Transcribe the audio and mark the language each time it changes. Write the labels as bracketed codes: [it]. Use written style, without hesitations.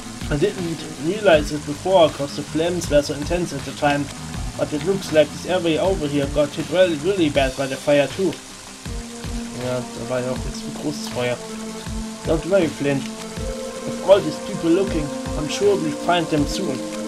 [en] I didn't realize it before, because the flames were so intense at the time. But it looks like this area over here got hit really, really bad by the fire too. [de] Ja, da war ja auch jetzt ein großes Feuer. [en] Don't worry, Flint. If all these people looking, I'm sure we'll find them soon.